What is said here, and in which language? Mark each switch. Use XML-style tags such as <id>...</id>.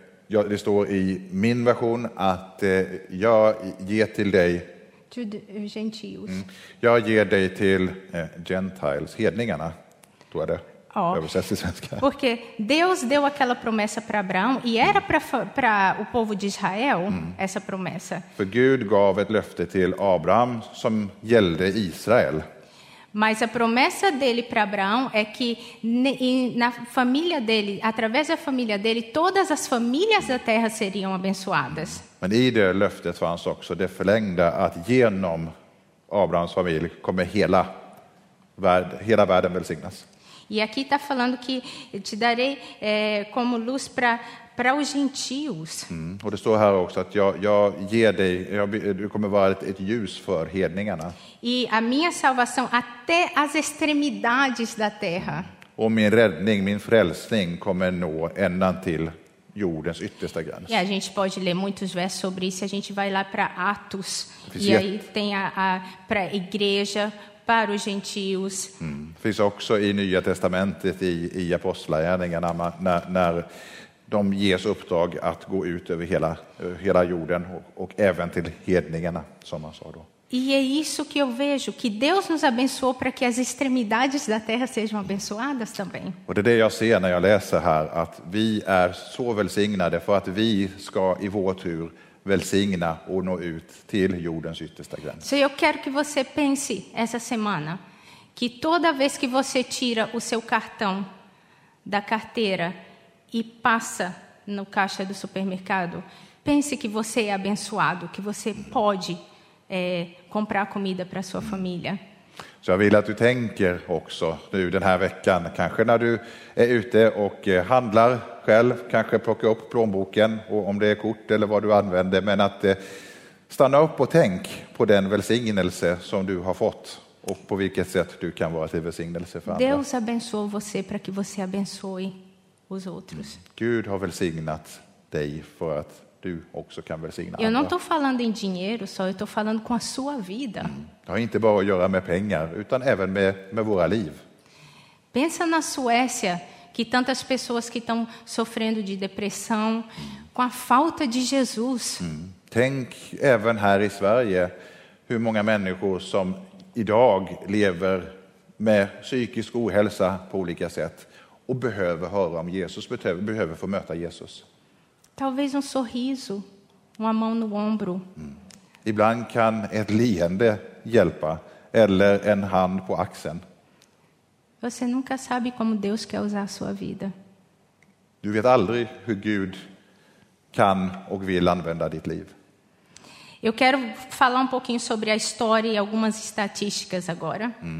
<sv>Det står i min version att jag ger till dig</sv> <pt>gentios. Mm.</pt> <sv>Jag ger dig till gentiles, hedningarna. Då är det översätts till svenska.</sv> <pt>Porque Deus deu aquela promessa para Abraão e era para o povo de Israel essa promessa.</pt> <sv>För Gud gav ett löfte till Abraham som gällde Israel.</sv> <pt>Mas a promessa dele para Abraão é que na família dele, através da família dele, todas as famílias da terra seriam abençoadas.</pt> <sv>Men i det löftet fanns också det förlängda att genom Abrahams familj kommer hela världen välsignas.</sv> <pt>E aqui está falando que te darei como luz para os gentios.</pt> <sv>Och det står här också att jag ger dig, du kommer vara ett ljus för hedningarna.</sv> <pt>E a minha salvação até as extremidades da terra.</pt> <sv>Och min räddning, min frälsning kommer nå ända till jordens yttersta gräns.</sv> <pt>E a gente pode ler muitos versos sobre isso, a gente vai lá para Atos. E aí tem a para igreja, para os gentios.</pt> <sv>Finns också i Nya testamentet i apostlagärningarna när de ges uppdrag att gå ut över hela jorden och även till hedningarna som man sa då.</sv> <pt>E é isso que eu vejo, que Deus nos abençoou para que as extremidades da terra sejam abençoadas também.</pt> <sv>Och det är det jag ser när jag läser här att vi är så välsignade för att vi ska i vår tur välsigna och nå ut till jordens yttersta gräns. Så jag</sv> <pt>quero que você pense essa semana que toda vez que você tira o seu cartão da carteira e passa no caixa do supermercado, pense que você é abençoado, que você pode comprar comida para sua família.</pt> <sv>Så jag vill att du tänker också nu den här veckan, kanske när du är ute och handlar själv, kanske plocka upp plånboken och om det är kort eller vad du använder, men att stanna upp och tänk på den välsignelse som du har fått och på vilket sätt du kan vara till välsignelse för andra.</sv> <pt>Deus abençoe você para que você abençoe os outros.</pt> <sv>Gud har välsignat dig för att du också kan välsigna andra. Jag inte</sv> <pt>falando em dinheiro, só estou falando com a sua vida.</pt> <sv>Det har inte bara att göra med pengar utan även med våra liv.</sv> <pt>Pensa na Suécia, que tantas pessoas que estão sofrendo de depressão com a falta de Jesus.</pt> <sv>Tänk även här i Sverige hur många människor som idag lever med psykisk ohälsa på olika sätt och behöver höra om Jesus, behöver få möta Jesus.</sv> <pt>Talvez sorriso, uma mão no ombro.</pt> <sv>Ibland kan ett leende hjälpa eller en hand på axeln.</sv> <pt>Você nunca sabe como Deus quer usar a sua vida.</pt> <sv>Du vet aldrig hur Gud kan och vill använda ditt liv.</sv> <pt>Eu quero falar um pouquinho sobre a história e algumas estatísticas agora.</pt>